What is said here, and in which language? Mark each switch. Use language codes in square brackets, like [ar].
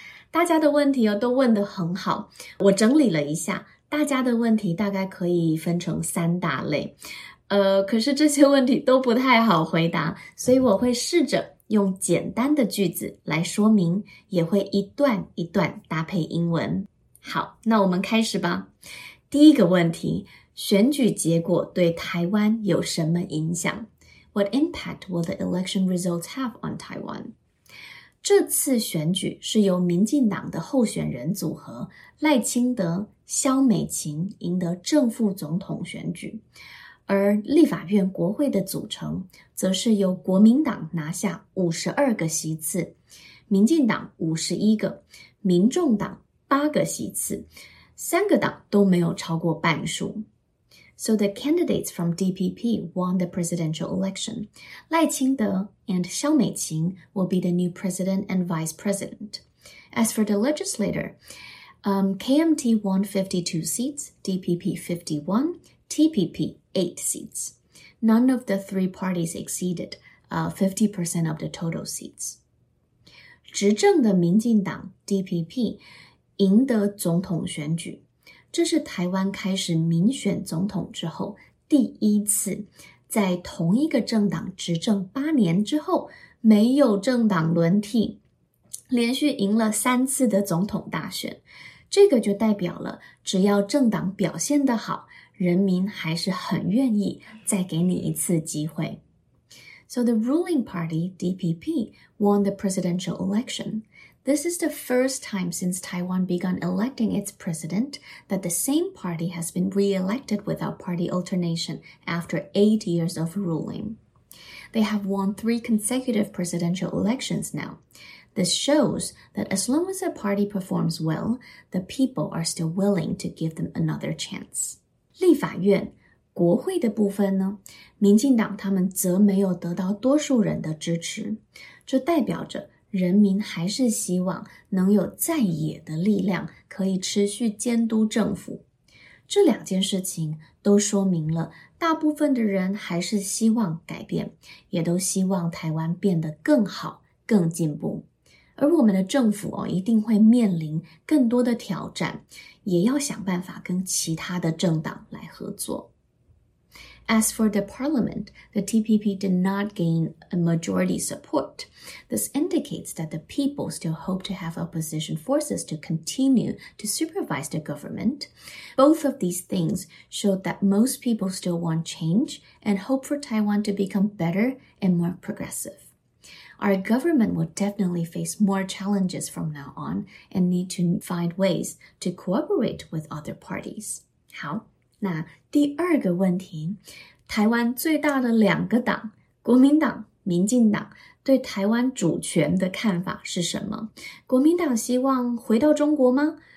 [zh] 大家的问题都问得很好，我整理了一下，大家的问题大概可以分成三大类，可是这些问题都不太好回答，所以我会试着用简单的句子来说明，也会一段一段搭配英文。好，那我们开始吧。第一个问题，选举结果对台湾有什么影响？ [en] What impact will the election results have on Taiwan? [zh] 这次选举是由民进党的候选人组合赖清德、萧美琴赢得正副总统选举，而立法院国会的组成则是由国民党拿下52个席次，民进党51个，民众党8个席次，三个党都没有超过半数。 [en] So the candidates from DPP won the presidential election. 赖清德 and 萧美琴 will be the new president and vice president. As for the legislator, KMT won 52 seats, DPP 51, TPP 8 seats. None of the three parties exceeded 50% of the total seats. [zh] 执政的民进党 DPP 赢得总统选举，这是台湾开始民选总统之后第一次在同一个政党执政八年之后没有政党轮替，连续赢了三次的总统大选。这个就代表了只要政党表现得好，人民还是很愿意再给你一次机会。 [en] So the ruling party DPP won the presidential election. This is the first time since Taiwan began electing its president that the same party has been re-elected without party alternation after 8 years of ruling. They have won 3 consecutive presidential elections now. This shows that as long as a party performs well, the people are still willing to give them another chance. [zh] 立法院国会的部分呢，民进党他们则没有得到多数人的支持，这代表着人民还是希望能有在野的力量可以持续监督政府。这两件事情都说明了大部分的人还是希望改变，也都希望台湾变得更好更进步。而我们的政府一定会面临更多的挑战，也要想办法跟其他的政党来合作。 [en] As for the parliament, the TPP did not gain a majority support. This indicates that the people still hope to have opposition forces to continue to supervise the government. Both of these things show that most people still want change and hope for Taiwan to become better and more progressive. Our government will definitely face more challenges from now on and need to find ways to cooperate with other parties. [zh] 好，那第二个问题，台湾最大的两个党，国民党、民进党，对台湾主权的看法是什么？国民党希望回到中国吗？